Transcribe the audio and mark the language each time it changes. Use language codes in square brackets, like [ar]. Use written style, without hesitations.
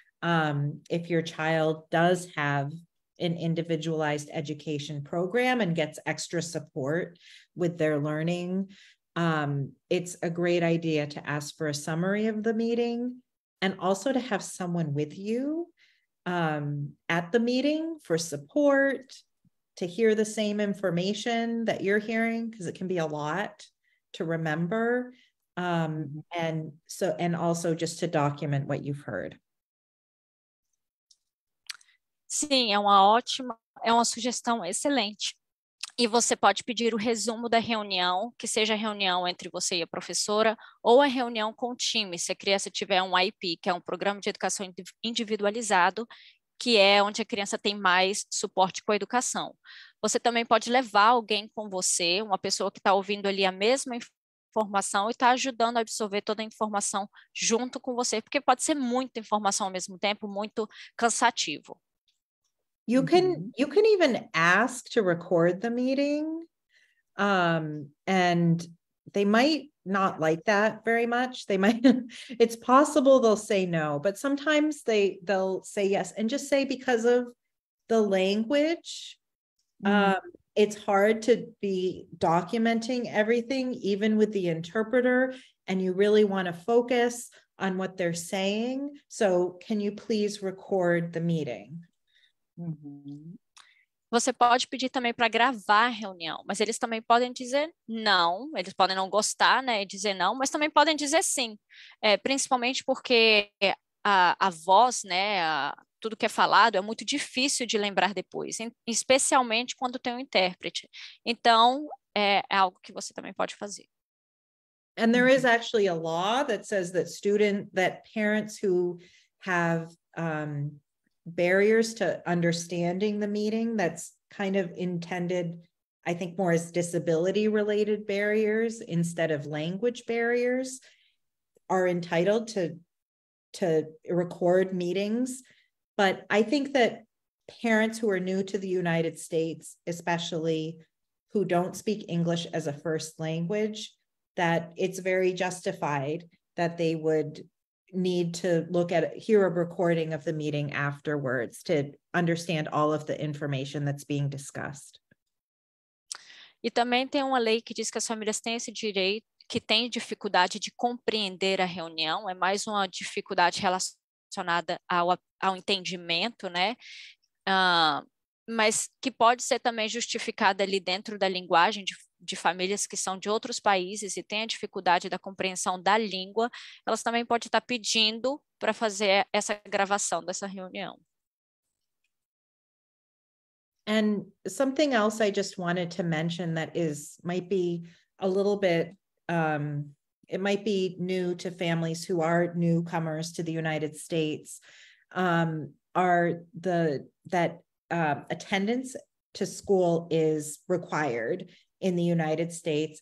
[en] If your child does have an individualized education program and gets extra support with their learning, it's a great idea to ask for a summary of the meeting, and also to have someone with you at the meeting for support, to hear the same information that you're hearing, because it can be a lot to remember. And so, and also just to document what you've heard. [pt] Sim, é uma ótima, é uma sugestão excelente. E você pode pedir o resumo da reunião, que seja a reunião entre você e a professora, ou a reunião com o time, se a criança tiver um IP, que é um programa de educação individualizado, que é onde a criança tem mais suporte com a educação. Você também pode levar alguém com você, uma pessoa que está ouvindo ali a mesma informação e está ajudando a absorver toda a informação junto com você, porque pode ser muita informação ao mesmo tempo, muito cansativo. [en] You can even ask to record the meeting, and they might not like that very much. They might, it's possible they'll say no, but sometimes they'll say yes, and just say because of the language, it's hard to be documenting everything, even with the interpreter, and you really want to focus on what they're saying. So can you please record the meeting? Uhum. [pt] Você pode pedir também para gravar a reunião, mas eles também podem dizer não, eles podem não gostar, né, e dizer não, mas também podem dizer sim, principalmente porque a voz, né, tudo que é falado é muito difícil de lembrar depois, especialmente quando tem um intérprete. Então, é algo que você também pode fazer. [en] And there is actually a law that says that parents who have barriers to understanding the meeting, that's kind of intended, I think, more as disability related barriers instead of language barriers, are entitled to record meetings. But I think that parents who are new to the United States, especially who don't speak English as a first language, that it's very justified that they would need to look at, hear a recording of the meeting afterwards to understand all of the information that's being discussed. [pt] E também tem uma lei que diz que as famílias têm esse direito, que têm dificuldade de compreender a reunião, é mais uma dificuldade relacionada ao entendimento, né? Mas que pode ser também justificada ali dentro da linguagem de famílias que são de outros países e têm a dificuldade da compreensão da língua, elas também podem estar pedindo para fazer essa gravação dessa reunião. [en] And something else I just wanted to mention that is, might be a little bit, it might be new to families who are newcomers to the United States, attendance to school is required in the United States.